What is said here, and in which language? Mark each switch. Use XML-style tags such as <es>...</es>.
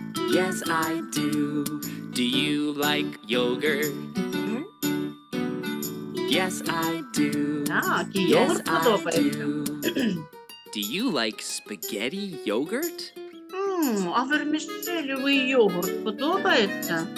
<en>Yes, I do. Do you like yogurt? Yes, I do.</en> <uk>Так, і йогурт подобається.</uk> <en>Yes, do you like spaghetti yogurt?</en> <uk>А вермішелевий йогурт подобається?</uk>